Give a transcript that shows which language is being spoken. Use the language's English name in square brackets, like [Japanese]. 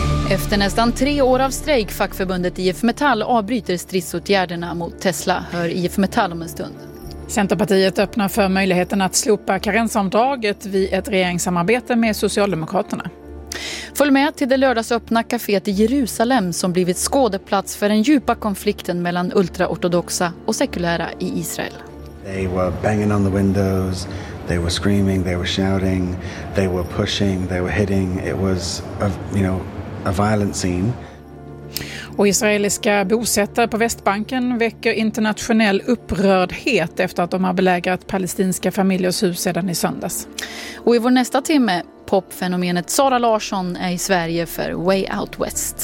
[Swedish] Efter nästan 3 år av strejk fackförbundet IF Metall avbryter stridsåtgärderna mot Tesla, hör IF Metall om en stund. Centerpartiet öppnar för möjligheten att slopa karensavdraget vid ett regeringssamarbete med Socialdemokraterna. Följ med till det lördagsöppna kaféet i Jerusalem som blivit skådeplats för den djupa konflikten mellan ultraortodoxa och sekulära i Israel. [English] They were banging on the windows, they were screaming, they were shouting, they were pushing, they were hitting. It was a violent scene. [Swedish] Och israeliska bosättare på Västbanken väcker internationell upprördhet efter att de har belägrat palestinska familjers hus sedan i söndags. Och i vår nästa timme, popfenomenet Sara Larsson är i Sverige för Way Out West.